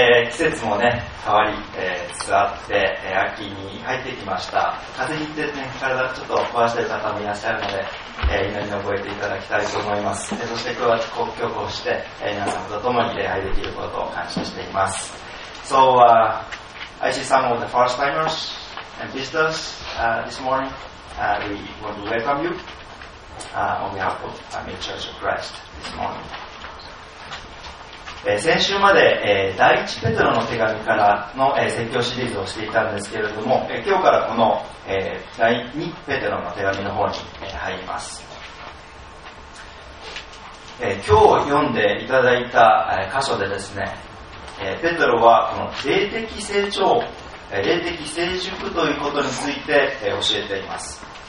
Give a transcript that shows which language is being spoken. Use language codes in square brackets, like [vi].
[ja] 季節もね変わり、座って、秋に入ってきました。風邪ひいて、ね、体ちょっと壊している方もいらっしゃるので、祈りに覚えていただきたいと思います。そして今日は国境をして、皆さんと共に礼拝できることを感謝しています。 [en] So、I see some of the first timers and visitors、this morning、we want to welcome youon behalf of the Family Church of Christ this morning. [ja] 先週まで、第一ペテロの手紙からの、説教シリーズをしていたんですけれども、今日からこの、第二ペテロの手紙の方に、入ります。今日読んでいただいた、箇所でですね、ペテロはこの霊的成長、霊的成熟ということについて、教えています。